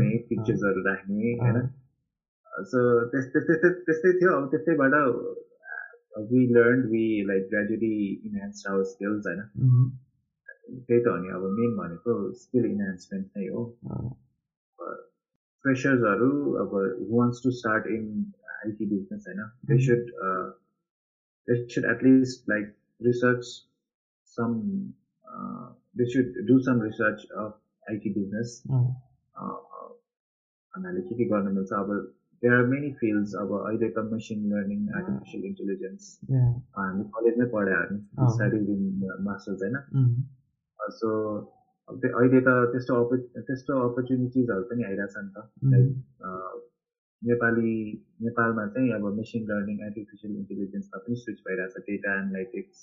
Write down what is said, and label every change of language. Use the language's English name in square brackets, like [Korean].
[Nepali] पिक्चर्सहरू राख्ने होइन सो त्यस्तै थियो अब त्यस्तैबाट [English] we learn we like gradually enhance our skills [Nepali] होइन त्यही त हो नि अब मेन भनेको स्किल इन्हान्समेन्ट नै हो [English] Freshers, who wants to start in IT business, right? they should at least like research some, they should do some research of IT business. There are many fields, either machine learning, artificial intelligence, and in college, I studied in master's, right? [Nepali] So, अहिले त त्यस्तो अपर्च्युनिटिजहरू पनि आइरहेको छ नि त नेपालमा चाहिँ अब मेसिन लर्निङ आर्टिफिसियल इन्टेलिजेन्समा पनि स्विच भइरहेको छ डेटा एनालिटिक्स